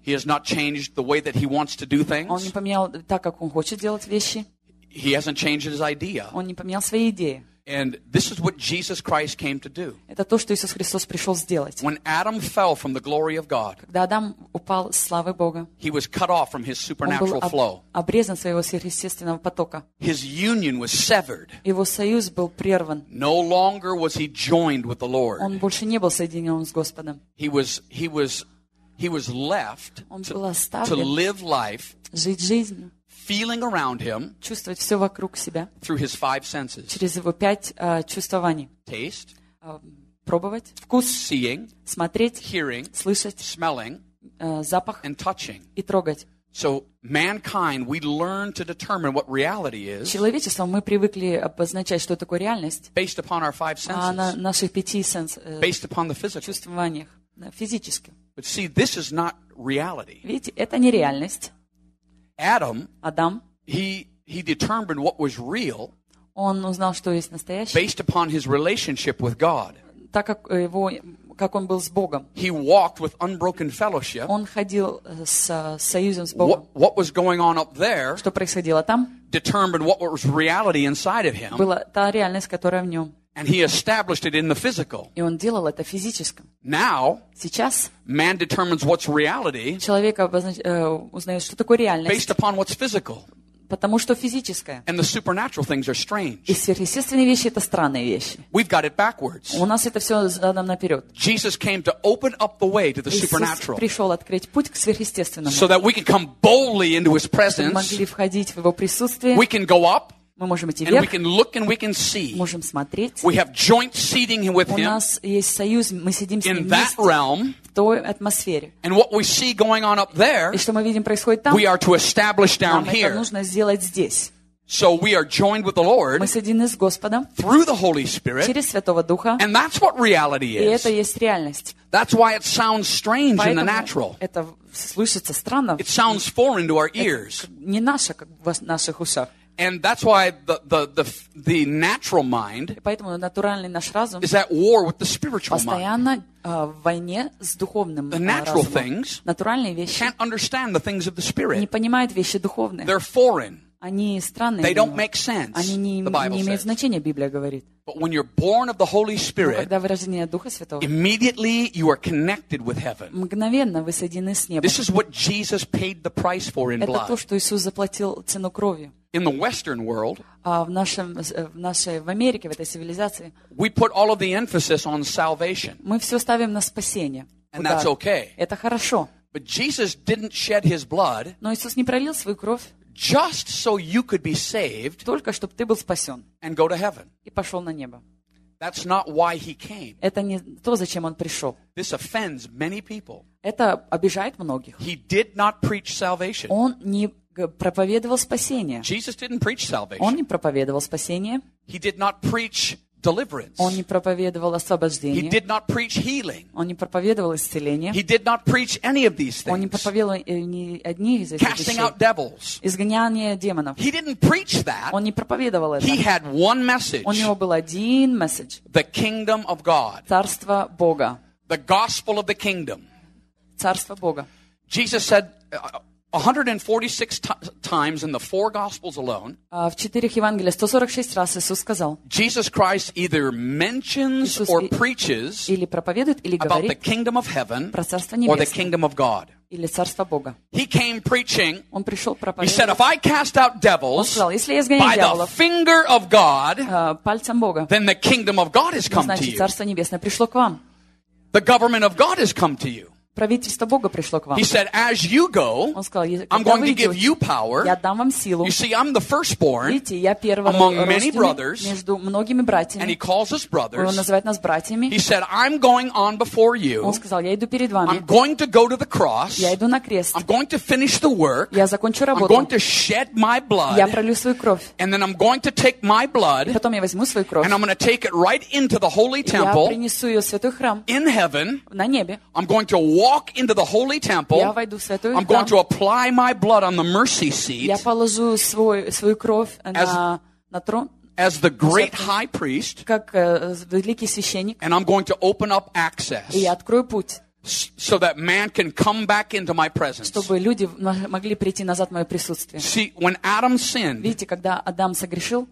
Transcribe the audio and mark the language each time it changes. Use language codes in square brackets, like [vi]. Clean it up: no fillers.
[en] He has not changed the way that he wants to do things. [ru] Он не поменял так, как он хочет делать вещи. [en] He hasn't changed his idea. [ru] Он не поменял свои идеи. [en] And this is what Jesus Christ came to do. [ru] Это то, что Иисус Христос пришел сделать. [en] When Adam fell from the glory of God. [ru] Когда Адам упал с славы Бога. [en] He was cut off from his supernatural flow. [ru] Он был обрезан своего сверхъестественного потока. [en] His union was severed. [ru] Его союз был прерван. [en] No longer was he joined with the Lord. [ru] Он больше не был соединен с Господом. [en] He was left to live life. [ru] Жить жизнью. [en] Feeling around him, [ru] чувствовать все вокруг себя, [en] through his five senses, [ru] через его пять чувствований, [en] taste, [ru] пробовать, вкус, [en] seeing, [ru] смотреть, [en] hearing, [ru] слышать, [en] smelling, [ru] запах, [en] and touching, [ru] и трогать. [en] So mankind, we learn to determine what reality is. [ru] Человечеством мы привыкли обозначать, что такое реальность, [en] based upon our five senses, [ru] на наших пяти сенс, [en] based upon the physical, [ru] чувствованиях, физически. [en] But see, this is not reality. [ru] Видите, это не реальность. [en] Adam, he determined what was real. [ru] Он узнал, что есть настоящее. [en] Based upon his relationship with God. [ru] Так как его, как он был с Богом. [en] He walked with unbroken fellowship. [ru] Он ходил с союзом с Богом. [en] What was going on up there? [ru] Что происходило там? [en] Determined what was reality inside of him. [ru] Была та реальность, которая в нем. [en] And he established it in the physical. [ru] И он делал это в физическом. [en] Now, [ru] сейчас, [en] man determines what's reality. [ru] Человек узнает, что такое реальность. [en] Based upon what's physical. [ru] Потому что физическое. [en] And the supernatural things are strange. [ru] И сверхъестественные вещи — это странные вещи. [en] We've got it backwards. [ru] У нас это все задом наперед. [en] Jesus came to open up the way to the supernatural. [ru] Иисус пришел открыть путь к сверхъестественному. [en] So that we can come boldly into his presence. [ru] Чтобы могли входить в его присутствие. [en] We can go up. [ru] Мы можем идти [en] and [ru] вверх. [en] We can look and we can see. [ru] Можем смотреть. [en] We have joint seating with him. [ru] У нас есть союз, мы сидим с ним вместе. В той атмосфере. [en] And what we see going on up there, [ru] и что мы видим происходит там, [en] we are to establish down [ru] нам [en] here. [ru] Это нужно сделать здесь. [en] So we are joined with the Lord, [ru] мы соединены с Господом [en] through the Holy Spirit, [ru] через Святого Духа. [en] And that's what reality is. [ru] И это есть реальность. [en] That's why it sounds strange. [ru] Поэтому [en] in the natural. [ru] Это слышится странно. [en] It sounds foreign to our ears. [ru] Это не наше, как в наших ушах. [en] And that's why the natural mind is at war with the spiritual mind. [ru] Постоянно в войне с духовным разумом. [en] The natural things, [ru] натуральные вещи, [en] can't understand the things of the spirit. [ru] Не понимают вещи духовные. [en] They're foreign. [ru] Они странные. [en] They don't make sense. [ru] Они не имеют значения, Библия говорит. [en] But when you're born of the Holy Spirit, [ru] когда вы рождены от Духа Святого, [en] immediately you are connected with heaven. [ru] Мгновенно вы соединены с небом. [en] This is what Jesus paid the price for in blood. [ru] Это то, что Иисус заплатил цену кровью. [en] In the Western world, [ru] в Америке, в этой цивилизации, [en] we put all of the emphasis on salvation. [ru] Мы все ставим на спасение. [en] And [ru] удар. [en] That's okay. [ru] Это хорошо. [en] But Jesus didn't shed his blood. [ru] Но Иисус не пролил свою кровь. [en] Just so you could be saved. [ru] Только чтобы ты был спасен. [en] And go to heaven. [ru] И пошел на небо. [en] That's not why he came. [ru] Это не то, зачем он пришел. [en] This offends many people. [ru] Это обижает многих. [en] He did not preach salvation. [ru] Он не проповедовал спасение. [en] Jesus didn't preach salvation. [ru] Он не проповедовал спасение. [en] He did not preach deliverance. [ru] Он не проповедовал освобождение. [en] He did not preach healing. [ru] Он не проповедовал исцеление. [en] He did not preach any of these things. [ru] Он не проповедовал ни одни из этих вещей. [en] Casting out devils. [ru] Изгоняние демонов. [en] He didn't preach that. [ru] Он не проповедовал это. [en] He had one message. [ru] У него был один месседж. [en] The kingdom of God. [ru] Царство Бога. [en] The gospel of the kingdom. [ru] Царство Бога. [en] Jesus said 146 times in the four Gospels alone. [ru] В четырех Евангелиях 146 раз Иисус сказал. [en] Jesus Christ either mentions or preaches [ru] или проповедует, или говорит [en] about the kingdom of heaven [ru] про Царство Небесное, [en] or the kingdom of God. [ru] Или Царство Бога. [en] He came preaching. [ru] Он пришел проповедовать. [en] He said, "If I cast out devils [ru] сказал, если я изгоняю [en] by [ru] дьяволов, [en] the finger of God, [ru] пальцем Бога, [en] then the kingdom of God has come to you." [ru] Значит, Царство Небесное пришло к вам. [en] The government of God has come to you. [ru] Правительство Бога пришло к вам. [en] He said, as you go, [ru] он сказал, [en] I'm going to give you power. [ru] Я дам вам силу. [en] You see, I'm the firstborn. [ru] Видите, я первый [en] among many brothers, [ru] между многими братьями. [en] And he calls us brothers. [ru] Он называет нас братьями. [en] He said, I'm going on before you. [ru] Он сказал, я иду перед вами. [en] I'm going to go to the cross. [ru] Я иду на крест. [en] I'm going to finish the work. [ru] Я закончу работу. [en] I'm going to shed my blood. [ru] Я пролью свою кровь. [en] And then I'm going to take my blood. [ru] И потом я возьму свою кровь. [en] And I'm going to take it right into the holy temple. [ru] Я принесу ее в святой храм. [en] In heaven. [ru] На небе. [en] I'm going to walk into the holy temple. [ru] Я войду в святой храм. [en] I'm going to apply my blood on the mercy seat. [ru] Я положу свою кровь на трон. [en] As the great high priest. [ru] Как великий священник. [en] And I'm going to open up access. [ru] И я открою путь. [en] So that man can come back into my presence. [ru] Чтобы люди могли прийти назад в мое присутствие. [en] See, when Adam sinned, [ru] видите, когда Адам согрешил,